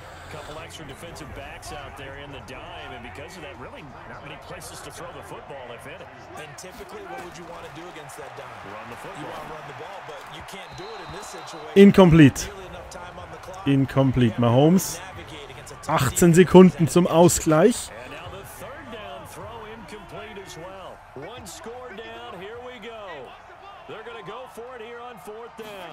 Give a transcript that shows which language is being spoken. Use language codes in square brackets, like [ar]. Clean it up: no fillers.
[en] Couple extra defensive backs out there in the dime, and because of that, really not many places to throw the football, if any. And typically, what would you want to do against that dime? Run the football. You want to run the ball, but you can't do it in this situation. Incomplete. Incomplete. Mahomes. [de] 18 Sekunden zum Ausgleich. [en] And now the third down throw incomplete as well. One score down. Here we go. They're going to go for it here on fourth down.